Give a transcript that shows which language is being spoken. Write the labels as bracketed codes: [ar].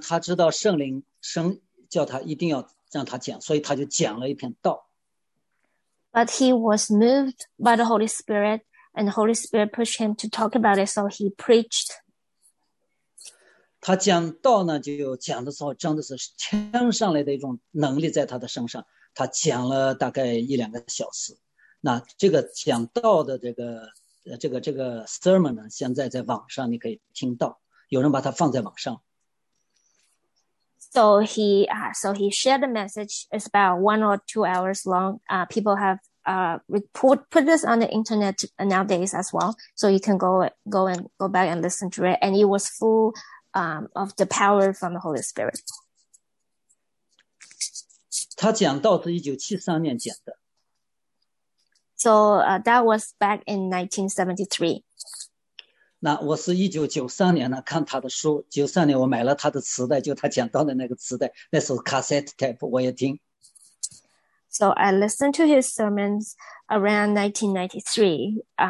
[zh] 他知道圣灵神叫他一定要让他讲，所以他就讲了一篇道。 [en] But he was moved by the Holy Spirit, and the Holy Spirit pushed him to talk about it, so he preached. [zh] 他讲道呢，就讲的时候真的是天上来的一种能力在他的身上。他讲了大概一两个小时。那这个讲道的这个 sermon 呢，现在在网上你可以听到，有人把它放在网上。 [en] So he shared the message. It's about 1 or 2 hours long. People have put this on the internet nowadays as well. So you can go and go back and listen to it. And it was full of the power from the Holy Spirit. [zh] 他讲到是1973年讲的。 [en] So that was back in 1973. [zh] 那我是1993年呢，看他的书。 93年我买了他的磁带，就他讲到的那个磁带，那时候 cassette tape 我也听。 [en] So I listened to his sermons around 1993.